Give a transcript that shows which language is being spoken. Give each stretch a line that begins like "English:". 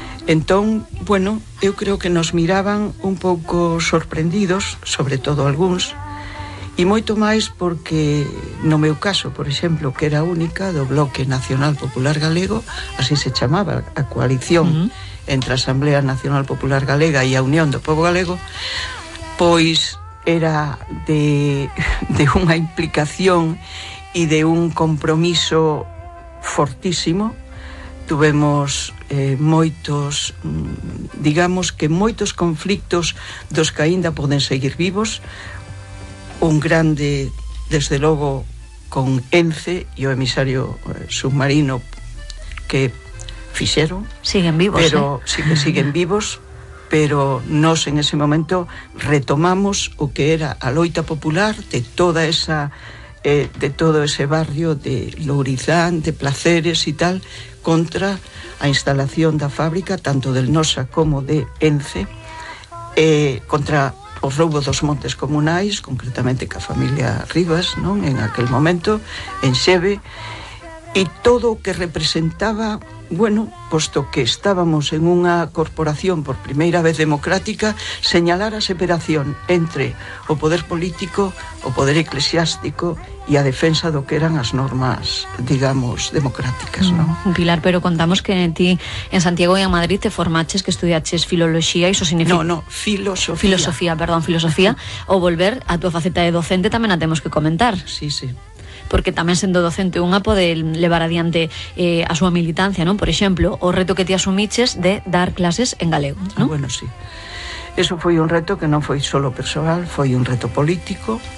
Galician: Entón, bueno, eu creo que nos miraban un pouco sorprendidos, sobre todo algúns, e moito máis porque no meu caso, por exemplo, que era única do Bloque Nacional Popular Galego, así se chamaba a coalición entre a Asamblea Nacional Popular Galega e a Unión do Pobo Galego, pois era de unha implicación e de un compromiso fortísimo. Tuvemos moitos, digamos que moitos conflictos dos que aínda poden seguir vivos. Un grande, desde logo, con ENCE e o emisario submarino, que fixeron.
Spanish: Siguen vivos,
Galician: pero ¿eh?
Spanish: Sí que siguen vivos,
Galician: pero nos en ese momento retomamos o que era a loita popular de toda esa, de todo ese barrio de Lourizán, de Placeres y tal, contra a instalación da fábrica, tanto del Nosa como de ENCE, contra o roubo dos montes comunais, concretamente ca familia Rivas, non, en aquel momento, en Xeve, e todo o que representaba. Bueno, posto que estábamos en unha corporación por primeira vez democrática, señalar a separación entre o poder político, o poder eclesiástico e a defensa do que eran as normas, digamos, democráticas, ¿no? Pilar, pero contamos que ti en Santiago e en Madrid te formaches, que estudiaches filoloxía, iso significa... No, filosofía. Filosofía, perdón, filosofía. O volver a túa faceta de docente tamén a temos que comentar. Sí, sí. Porque tamén sendo docente unha pode levar adiante a súa militancia, non? Por exemplo, o reto que te asumiches de dar clases en galego, non? Ah, bueno, sí. Eso foi un reto que non foi solo personal, foi un reto político.